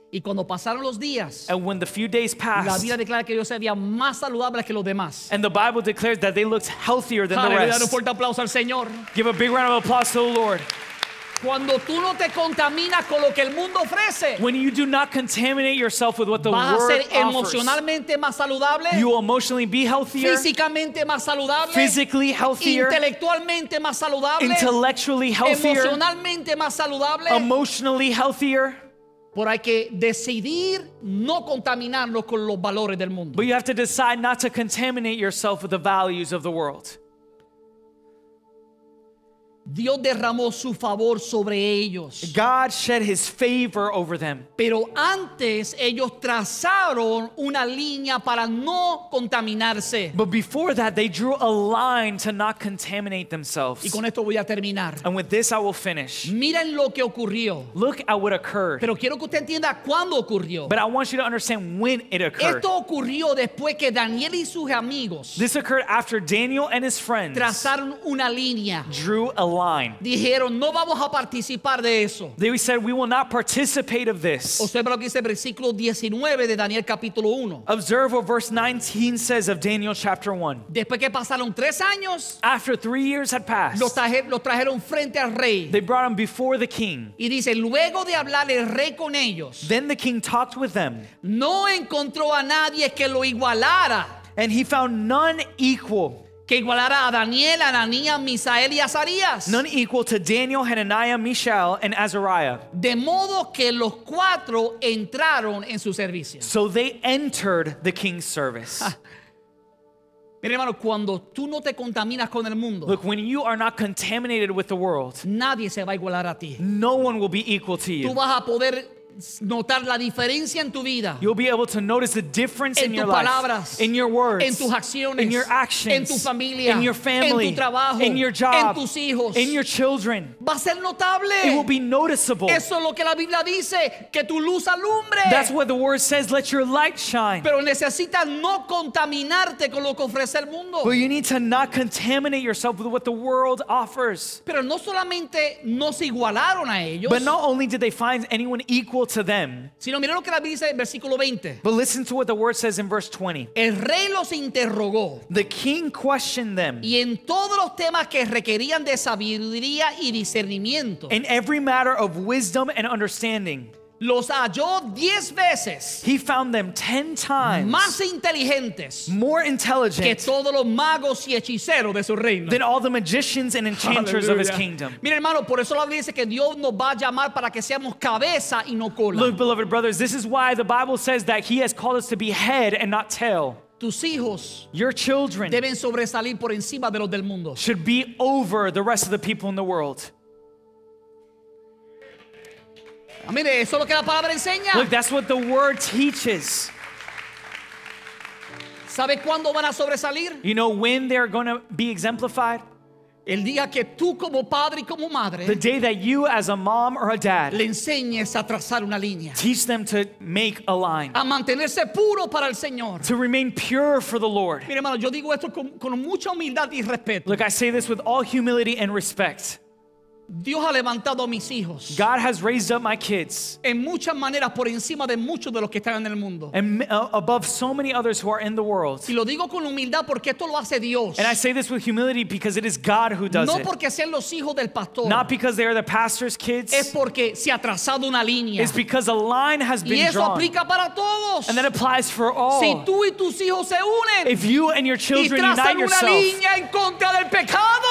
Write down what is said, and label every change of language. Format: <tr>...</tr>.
<es>Y cuando pasaron los días,</es> <en>and when the few days passed,</en> <es>la Biblia declara que ellos se veían más saludables que los demás.</es> <en>And the Bible declares that they looked healthier than Hallelujah. The rest.</en> <es>Dale un fuerte aplauso al Señor.</es> <en>Give a big round of applause to the Lord.</en> <es>Cuando tú no te contaminas con lo que el mundo ofrece,</es> <en>when you do not contaminate yourself with what the world</en> <es>vas a ser emocionalmente</es> <en>offers,</en> <es>más saludable,</es> <en>you will emotionally be healthier,</en> <es>físicamente más saludable,</es> <en>physically healthier,</en> <es>intelectualmente más saludable,</es> <en>intellectually healthier,</en> <es>emocionalmente más saludable,</es> <en>emotionally healthier.</en> <es>Por hay que decidir no contaminarnos con los valores del mundo.</es> <en>But you have to decide not to contaminate yourself with the values of the world.</en> <es>Dios derramó su favor sobre ellos.</es> <en>God shed his favor over them.</en> <es>Pero antes ellos trazaron una línea para no contaminarse.</es> <en>But before that they drew a line to not contaminate themselves.</en> <es>Y con esto voy a terminar.</es> <en>And with this I will finish.</en> <es>Miren lo que ocurrió.</es> <en>Look at what occurred.</en> <es>Pero quiero que usted entienda cuándo ocurrió.</es> <en>But I want you to understand when it occurred.</en> <es>Esto ocurrió después que Daniel y sus amigos,</es> <en>this occurred after Daniel and his friends,</en> <es>trazaron una línea,</es> <en>drew a line.</en> <es>Dijeron, no vamos a participar de eso.</es> <en>They said, we will not participate of this.</en> <es>Observa lo que dice versículo 19 de Daniel capítulo 1.</es> <en>Observe what verse 19 says of Daniel chapter 1.</en> <es>Después que pasaron tres años,</es> <en>after 3 years had passed,</en> <es>lo trajeron frente al rey.</es> <en>They brought him before the king.</en> <es>Y dice, luego de hablar el rey con ellos,</es> <en>then the king talked with them.</en> <es>No encontró a nadie que lo igualara.</es> <en>And he found none equal.</en> <es>Que igualara a Daniel, Ananías, Misael y Azarías.</es> <en>None equal to Daniel, Hananiah, Mishael, and Azariah.</en> <es>De modo que los cuatro entraron en su servicio.</es> <en>So they entered the king's service.</en> <es>Mira, hermano, cuando tú no te contaminas con el mundo,</es> <en>look, when you are not contaminated with the world,</en> <es>nadie se va a igualar a ti.</es> <en>No one will be equal to you.</en> <es>Tú vas a poder notar la diferencia en tu vida.</es> <en>You'll be able to notice the difference</en> <es>en</es> <en>in your</en> <es>palabras,</es> <en>life, in your words,</en> <es>en tus acciones,</es> <en>in your actions,</en> <es>en tu familia,</es> <en>in your family,</en> <es>en tu trabajo,</es> <en>in your job,</en> <es>en tus hijos,</es> <en>in your children.</en> <es>Va a ser notable.</es> <en>It will be noticeable.</en> <es>Eso es lo que la Biblia dice, que tu luz alumbre.</es> <en>That's what the word says, let your light shine.</en> <es>Pero necesitas no contaminarte con lo que ofrece el mundo.</es> <en>But you need to not contaminate yourself with what the world offers.</en> <es>Pero no solamente no se igualaron a ellos.</es> <en>But not only did they find anyone equal to them,</en> <es>sino mira lo que la Biblia dice en versículo 20.</es> <en>But listen to what the word says in verse 20.</en> <es>El rey los interrogó.</es> <en>The king questioned them.</en> <es>Y en todos los temas que requerían de sabiduría y discernimiento.</es> <en>In every matter of wisdom and understanding.</en> <es>Los halló 10 veces.</es> <en>He found them 10 times.</en> <es>Más inteligentes.</es> <en>More intelligent.</en> <es>Que todos los magos y hechiceros de su reino.</es> <en>Than all the magicians and enchanters Hallelujah. Of his kingdom.</en> <es>Mira, hermano, por eso la Biblia dice que Dios nos va a llamar para que seamos cabeza y no cola.</es> <en>Look, beloved brothers, this is why the Bible says that he has called us to be head and not tail.</en> <es>Tus hijos,</es> <en>your children,</en> <es>deben sobresalir por encima de los del mundo.</es> <en>Should be over the rest of the people in the world.</en> <es>Mire, eso es lo que la palabra enseña.</es> <en>Look, that's what the word teaches.</en> <es>¿Sabe cuándo van a sobresalir?</es> <en>You know when they're going to be exemplified?</en> <es>El día que tú como padre y como madre,</es> <en>the day that you as a mom or a dad</en> <es>le enseñes a trazar una línea,</es> <en>teach them to make a line,</en> <es>a mantenerse puro para el Señor,</es> <en>to remain pure for the Lord.</en> <es>Mira, hermano, yo digo esto con mucha humildad y respeto.</es> <en>Look, I say this with all humility and respect.</en> <es>Dios ha levantado a mis hijos.</es> <en>God has raised up my kids.</en> <es>En muchas maneras por encima de muchos de los que están en el mundo.</es> <en>And above so many others who are in the world.</en> <es>Y lo digo con humildad porque esto lo hace Dios.</es> <en>And I say this with humility because it is God who does it.</en> <es>No porque sean los hijos del pastor.</es> <en>Not because they are the pastor's kids.</en> <es>Es porque se ha trazado una línea.</es> <en>It's because a line has been drawn.</en> <es>Y eso aplica para todos.</es> <en>And that applies for all.</en> <es>Si tú y tus hijos se unen.</es> <en>If you and your children</en> <es>y trazan</es> <en>unite yourself.</en> <es>Una línea en contra del pecado.</es>